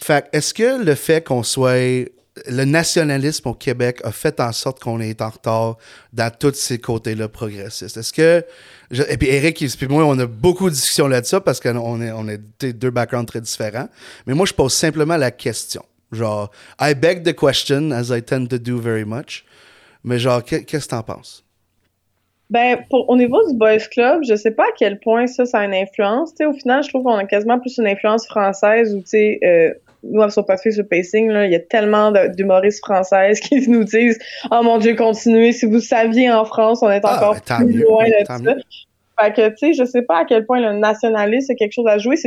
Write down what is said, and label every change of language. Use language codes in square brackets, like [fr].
[fr] Fait que, est-ce que le fait qu'on soit le nationalisme au Québec a fait en sorte qu'on est en retard dans tous ces côtés-là progressistes? Est-ce que. Et puis, Eric, puis moi, on a beaucoup de discussions là-dessus parce qu'on est, deux backgrounds très différents. Mais moi, je pose simplement la question. [en] Genre, I beg the question, as I tend to do very much. [fr] Mais, genre, qu'est-ce que t'en penses? Ben, au niveau du Boys Club, je sais pas à quel point ça a une influence. T'sais, au final, je trouve qu'on a quasiment plus une influence française où, tu sais, nous, on s'est pas fait sur pacing, là, il y a tellement d'humoristes françaises qui nous disent « Oh mon Dieu, continuez, si vous saviez en France, on est encore plus loin de ça. » Fait que, tu sais, je sais pas à quel point le nationalisme a quelque chose à jouer.